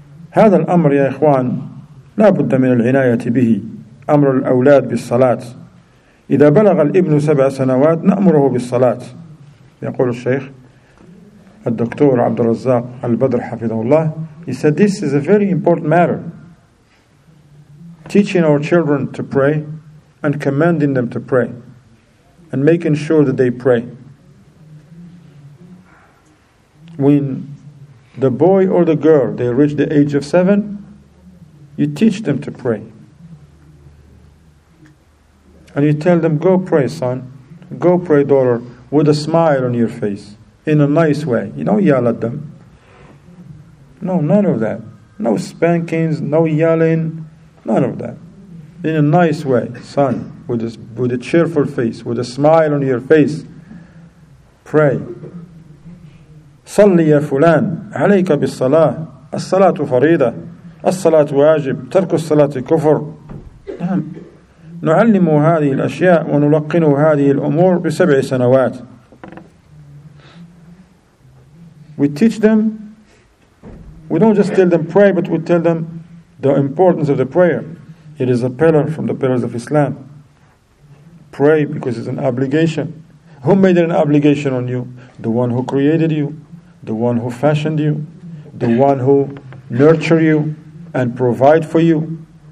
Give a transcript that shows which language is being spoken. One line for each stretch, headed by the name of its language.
Arabic: هذا الأمر يا إخوان لا بد من العناية به أمر الأولاد بالصلاة إذا بلغ الإبن 7 سنوات نأمره بالصلاة يقول الشيخ الدكتور عبد الرزاق البدر حفظه الله.
English: He said this is a very important matter. Teaching our children to pray and commanding them to pray and making sure that they pray. When the boy or the girl, they reach the age of 7, you teach them to pray. And you tell them, go pray, son. Go pray, daughter, with a smile on your face, in a nice way. You don't yell at them. No, none of that. No spankings, no yelling, none of that. in a nice way, son, with a cheerful face, with a smile on your face. Pray.
Arabic: صلي يا فلان عليك بالصلاة الصلاة فريضة الصلاة واجب ترك الصلاة كفر. نعلم هذه الأشياء ونلقن هذه الأمور بسبع سنوات.
English: We teach them. We don't just tell them pray, but we tell them the importance of the prayer. It is a pillar from the pillars of Islam. Pray because it's an obligation. Who made it an obligation on you? The one who created you, the one who fashioned you, the one who nurtured you and provide for you.